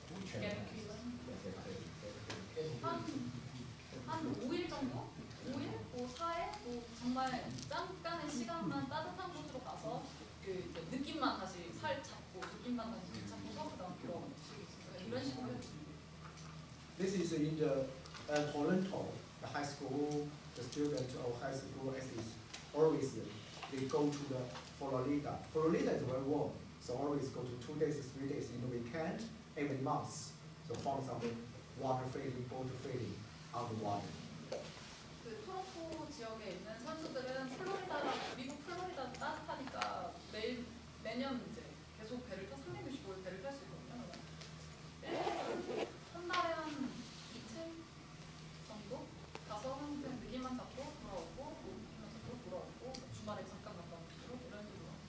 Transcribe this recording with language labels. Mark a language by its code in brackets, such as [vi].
[en] curriculum? [ko] 한 5일 정도? 5일? 뭐 4일? 뭐 정말 잠깐의 시간만 따뜻한 곳으로 가서 그 이제 느낌만 다시 살 잡고 느낌만 다시 잡고 서부터 이런 식으로 [en] This is in the Toronto, the high school, the student of high school is always they go to the Florida. Florida is very warm, so always go to 2 days, 3 days in the weekend, every month. So find some water feeding, boat feeding on the water. [ko] 그 토론토 지역에 있는 선수들은 플로리다가 미국 플로리다 따뜻하니까 매년 이제 계속 배를 타 365일 배를 탈 수 있거든요. 한 달에 한 이틀 정도 가서 항상 느낌만 잡고 돌아오고 느낌만 잡고 돌아오고 주말에 잠깐 갔다 온 식으로 이런 식으로.